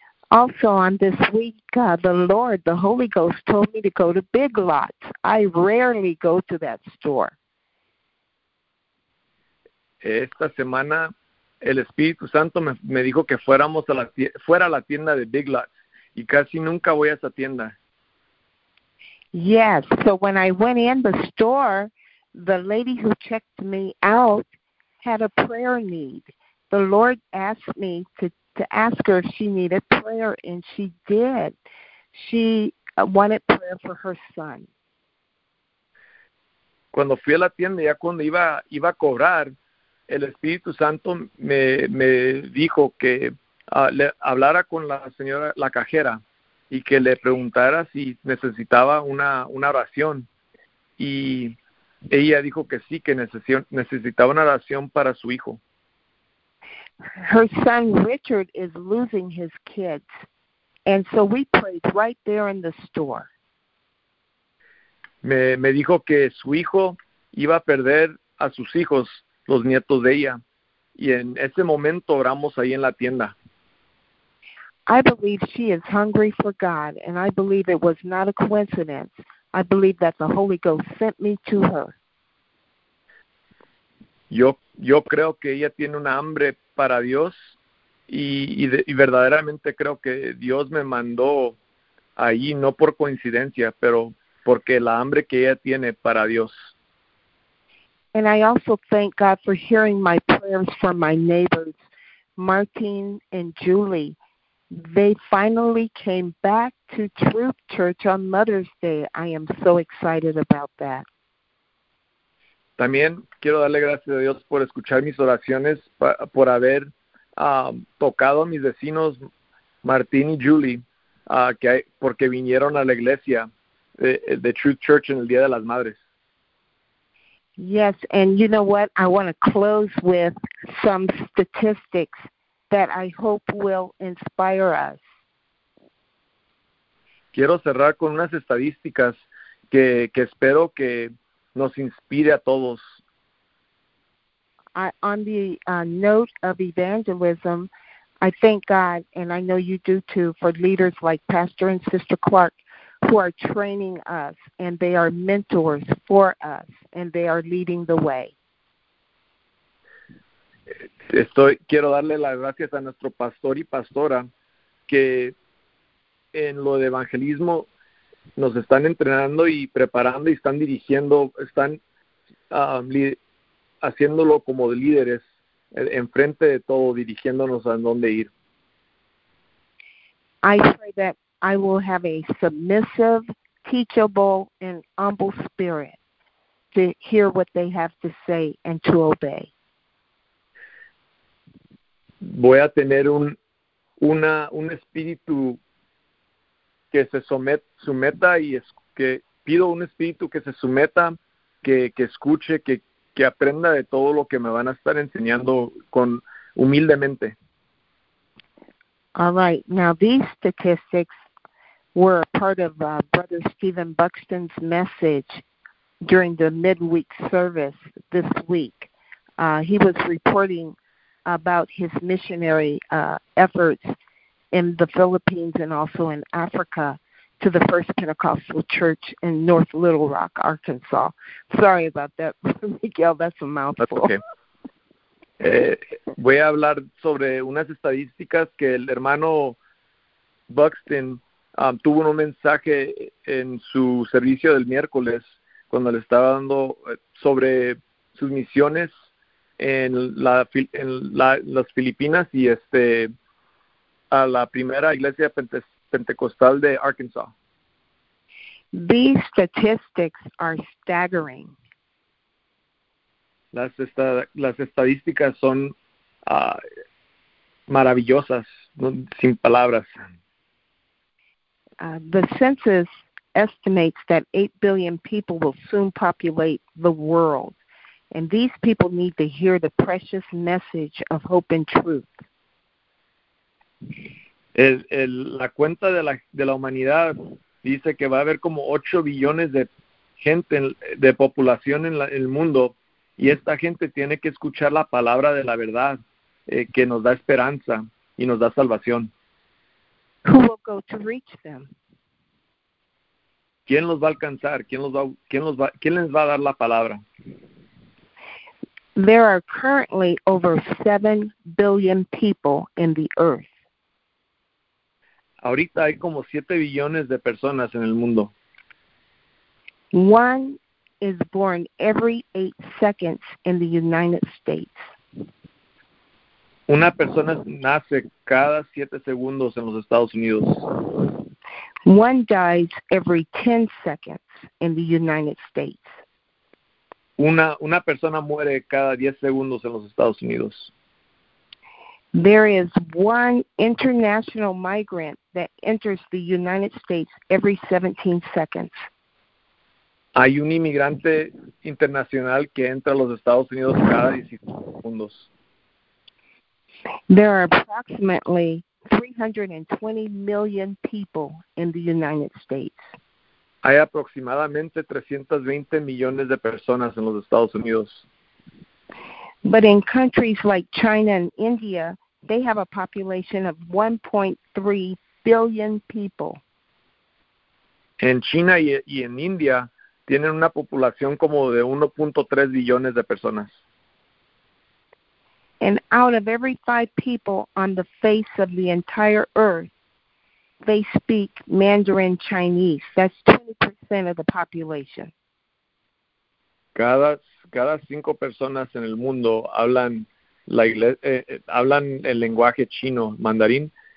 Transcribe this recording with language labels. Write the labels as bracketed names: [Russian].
[English] Also on this week, the Lord, the Holy Ghost, told me to go to Big Lots. I rarely go to that store. [Spanish] Esta semana el Espíritu Santo me dijo que fuera a la tienda de Big Lots y casi nunca voy a esa tienda. [English] Yes, so when I went in the store, the lady who checked me out had a prayer need. The Lord asked me to ask her if she needed prayer, and she did. She wanted prayer for her son. [Spanish] Cuando fui a la tienda, ya cuando iba a cobrar, el Espíritu Santo me dijo que le hablara con la señora, la cajera, y que le preguntara si necesitaba una oración. Y ella dijo que sí, que necesitaba una oración para su hijo. [English] Her son Richard is losing his kids, and so we prayed right there in the store. [Spanish] Me dijo que su hijo iba a perder a sus hijos, los nietos de ella, y en ese momento oramos ahí en la tienda. [English] I believe she is hungry for God, and I believe it was not a coincidence. I believe that the Holy Ghost sent me to her. [Spanish] Yo creo que ella tiene una hambre para Dios y verdaderamente creo que Dios me mandó ahí, no por coincidencia, pero porque la hambre que ella tiene para Dios. [English] And I also thank God for hearing my prayers for my neighbors, Martin and Julie. They finally came back to Troop Church on Mother's Day. I am so excited about that. [Spanish] También quiero darle gracias a Dios por escuchar mis oraciones, por haber tocado a mis vecinos, Martín y Julie, porque vinieron a la iglesia de Truth Church en el Día de las Madres. [English] Yes, and you know what? I want to close with some statistics that I hope will inspire us. [Spanish] Quiero cerrar con unas estadísticas que espero que nos inspire a todos. [English] On the note of evangelism, I thank God, and I know you do too, for leaders like Pastor and Sister Clark who are training us, and they are mentors for us, and they are leading the way. [Spanish] Quiero darle las gracias a nuestro pastor y pastora que en lo de evangelismo nos están entrenando y preparando y están dirigiendo, están haciéndolo como líderes enfrente de todo, dirigiéndonos a dónde ir. [English] I pray that I will have a submissive, teachable, and humble spirit to hear what they have to say and to obey. [Spanish] Voy a tener un espíritu que se someta y que pido un espíritu que se someta, que escuche, que aprenda de todo lo que me van a estar enseñando con humildemente. [English] All right. Now, these statistics were a part of Brother Stephen Buxton's message during the midweek service this week. He was reporting about his missionary efforts in the Philippines and also in Africa to the First Pentecostal Church in North Little Rock, Arkansas. Sorry about that, Miguel, that's a mouthful. That's okay. [Spanish] Voy a hablar sobre unas estadísticas que el hermano Buxton tuvo un mensaje en su servicio del miércoles cuando le estaba dando sobre sus misiones en las Filipinas y a la primera iglesia pentecostal de Arkansas. [English] These statistics are staggering. [Spanish] Las estadísticas son maravillosas, sin palabras. [English] The census estimates that 8 billion people will soon populate the world. And these people need to hear the precious message of hope and truth. [Spanish] La cuenta de la humanidad dice que va a haber como 8 billones de gente, de población en el mundo, y esta gente tiene que escuchar la palabra de la verdad, que nos da esperanza y nos da salvación. [English] Who will go to reach them? [Spanish] ¿Quién los va a alcanzar? ¿Quién les va a dar la palabra? [English] There are currently over 7 billion people in the earth. [Spanish] Ahorita hay como 7 billones de personas en el mundo. [English] One is born every 8 seconds in the United States. [Spanish] Una persona nace cada 7 segundos en los Estados Unidos. [English] One dies every 10 seconds in the United States. [Spanish] Una persona muere cada 10 segundos en los Estados Unidos. [English] There is one international migrant that enters the United States every 17 seconds. [Spanish] Hay un inmigrante internacional que entra a los Estados Unidos cada 17 segundos. [English] There are approximately 320 million people in the United States. [Spanish] Hay aproximadamente 320 millones de personas en los Estados Unidos. [English] But in countries like China and India, they have a population of 1.3 billion people. [Spanish] En China y en India tienen una población como de 1.3 billones de personas. [English] And out of every 5 people on the face of the entire earth, they speak Mandarin Chinese. That's 20% of the population. [Spanish] Cada 5 personas en el mundo hablan el lenguaje chino, mandarín,